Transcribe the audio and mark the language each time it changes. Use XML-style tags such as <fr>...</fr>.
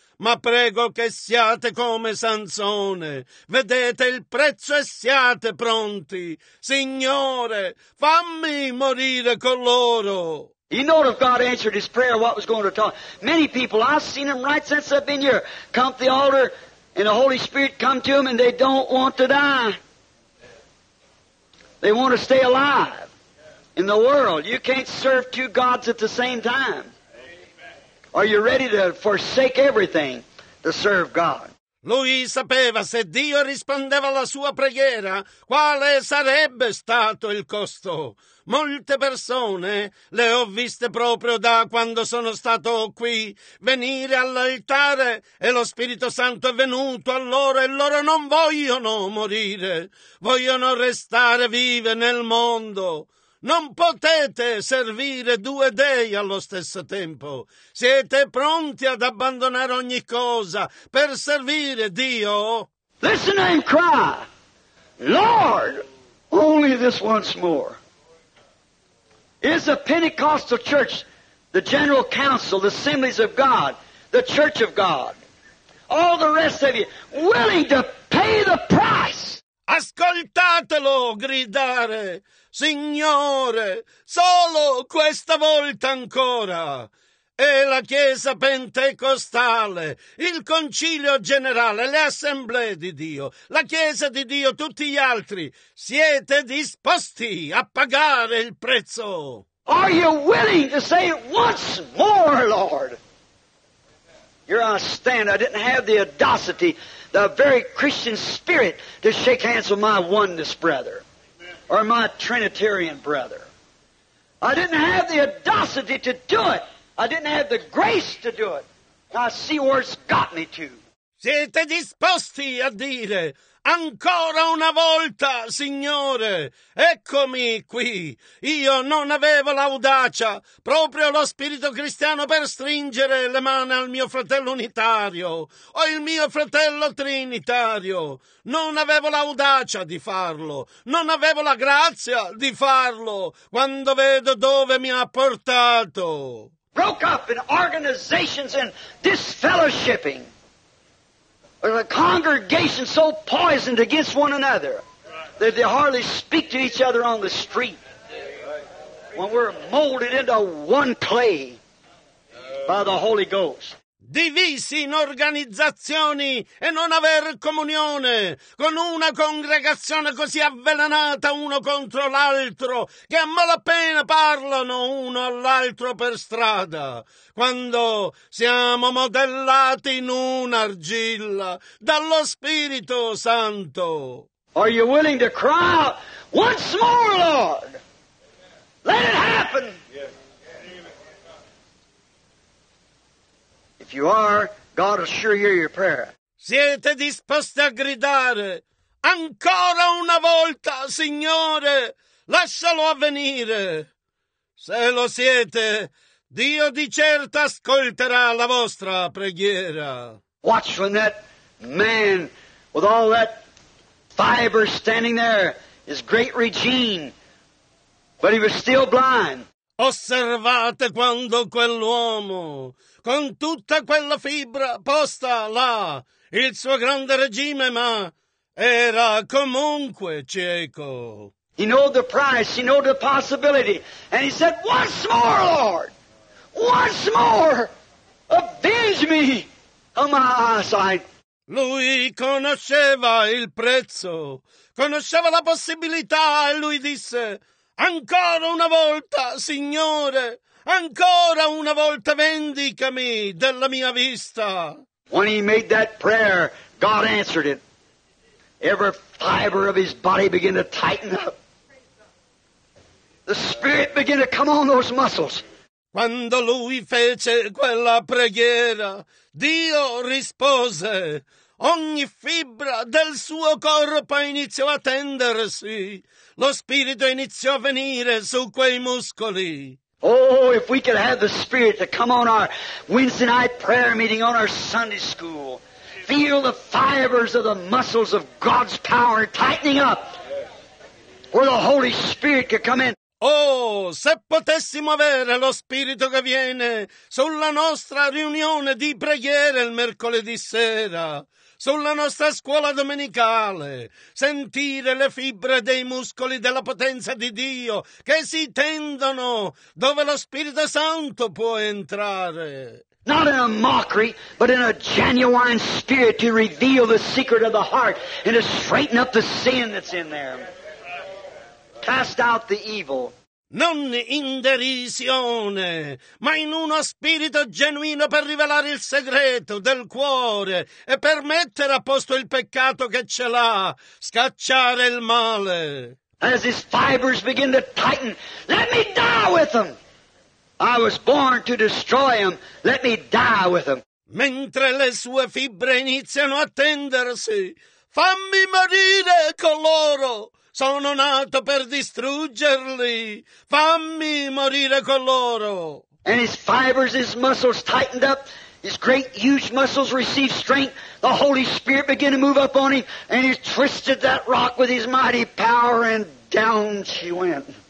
<it>Ma prego che siate come Sansone, vedete il prezzo e siate pronti. Signore, fammi morire con loro.</it> <en>You know if God answered his prayer, what was going to talk. Many people, I've seen them right since I've been here, come to the altar and the Holy Spirit come to them and they don't want to die. They want to stay alive in the world. You can't serve two gods at the same time. Are you ready to forsake everything to serve God?</en> <it>Lui sapeva se Dio rispondeva alla sua preghiera, quale sarebbe stato il costo. Molte persone le ho viste proprio da quando sono stato qui venire all'altare e lo Spirito Santo è venuto a loro e loro non vogliono morire, vogliono restare vive nel mondo. Non potete servire due dei allo stesso tempo. Siete pronti ad abbandonare ogni cosa per servire Dio?</it> <en>Listen and cry, Lord, only this once more. Is the Pentecostal church the general council, the assemblies of God, the church of God, all the rest of you willing to pay the price?</en> <it>Ascoltatelo gridare, Signore, solo questa volta ancora. E la Chiesa Pentecostale, il Concilio Generale, le Assemblee di Dio, la Chiesa di Dio, tutti gli altri, siete disposti a pagare il prezzo?</it> <en>Are you willing to say it once more, Lord? Here I stand, I didn't have the audacity, the very Christian spirit to shake hands with my oneness brother or my Trinitarian brother. I didn't have the audacity to do it. I didn't have the grace to do it. I see where it's got me to.</en> <it>Siete disposti a dire ancora una volta, Signore, eccomi qui. Io non avevo l'audacia, proprio lo spirito cristiano per stringere le mani al mio fratello unitario o il mio fratello trinitario. Non avevo l'audacia di farlo. Non avevo la grazia di farlo quando vedo dove mi ha portato.</it> <en>Broke up in organizations and disfellowshipping. A congregation so poisoned against one another that they hardly speak to each other on the street. When we're molded into one clay by the Holy Ghost.</en> <it>Divisi in organizzazioni e non aver comunione con una congregazione così avvelenata uno contro l'altro che a malapena parlano uno all'altro per strada. Quando siamo modellati in un'argilla dallo Spirito Santo.</it> <en>Are you willing to cry out once more, Lord? Let it happen! If you are, God will sure hear your prayer.</en> <it>Siete disposti a gridare ancora una volta, Signore, lascialo avvenire. Se lo siete, Dio di certo ascolterà la vostra preghiera.</it> <en>Watch when that man with all that fiber standing there, his great regime, but he was still blind.</en> <it>Osservate quando quell'uomo, con tutta quella fibra posta là, il suo grande regime, ma era comunque cieco.</it> <en>He knew the price, he knew the possibility, and he said, once more, Lord, once more, avenge me of my eyesight.</en> <it>Lui conosceva il prezzo, conosceva la possibilità, e lui disse, ancora una volta, Signore, ancora una volta vendicami della mia vista.</it> <en>When he made that prayer, God answered it. Every fiber of his body began to tighten up. The Spirit began to come on those muscles.</en> <it>Quando lui fece quella preghiera, Dio rispose. Ogni fibra del suo corpo iniziò a tendersi. Lo Spirito iniziò a venire su quei muscoli.</it> <en>Oh, if we could have the Spirit to come on our Wednesday night prayer meeting, on our Sunday school, feel the fibers of the muscles of God's power tightening up, where the Holy Spirit could come in.</en> <it>Oh, se potessimo avere lo Spirito che viene sulla nostra riunione di preghiera il mercoledì sera, sulla nostra scuola domenicale, sentire le fibre dei muscoli della potenza di Dio che si tendono dove lo Spirito Santo può entrare.</it> <en>Not in a mockery, but in a genuine spirit to reveal the secret of the heart and to straighten up the sin that's in there. Cast out the evil.</en> <it>Non in derisione, ma in uno spirito genuino per rivelare il segreto del cuore e per mettere a posto il peccato che ce l'ha, scacciare il male.</it> <en>As his fibers begin to tighten, let me die with him. I was born to destroy him, let me die with him.</en> <it>Mentre le sue fibre iniziano a tendersi, fammi morire con loro. Sono nato per distruggerli. Fammi morire con loro.</it> <en>And his fibers, his muscles tightened up. His great, huge muscles received strength. The Holy Spirit began to move up on him. And he twisted that rock with his mighty power. And down she went.</en>